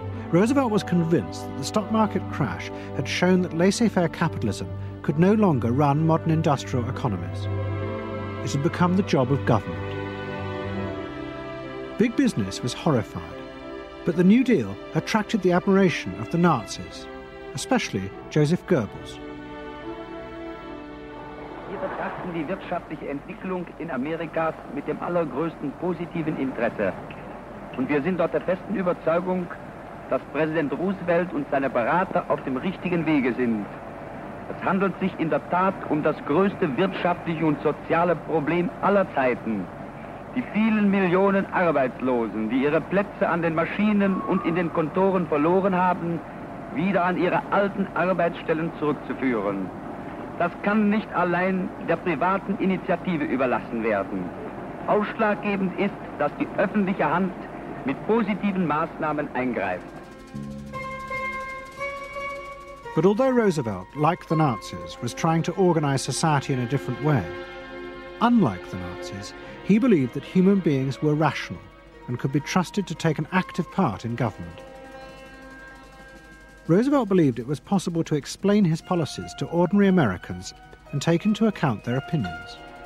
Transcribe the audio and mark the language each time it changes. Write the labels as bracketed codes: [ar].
[en] Roosevelt was convinced that the stock market crash had shown that laissez-faire capitalism could no longer run modern industrial economies. It had become the job of government. Big business was horrified, but the New Deal attracted the admiration of the Nazis, especially Joseph Goebbels. [de] Wir betrachten die wirtschaftliche Entwicklung in Amerika mit dem allergrößten positiven Interesse. Und wir sind dort der festen Überzeugung, dass Präsident Roosevelt und seine Berater auf dem richtigen Wege sind. Es handelt sich in der Tat um das größte wirtschaftliche und soziale Problem aller Zeiten. Die vielen Millionen Arbeitslosen, die ihre Plätze an den Maschinen und in den Kontoren verloren haben, wieder an ihre alten Arbeitsstellen zurückzuführen. Das kann nicht allein der privaten Initiative überlassen werden. Ausschlaggebend ist, dass die öffentliche Hand mit positiven Maßnahmen eingreift. [en] But although Roosevelt, like the Nazis, was trying to organize society in a different way, unlike the Nazis, he believed that human beings were rational and could be trusted to take an active part in government. Roosevelt believed it was possible to explain his policies to ordinary Americans and take into account their opinions.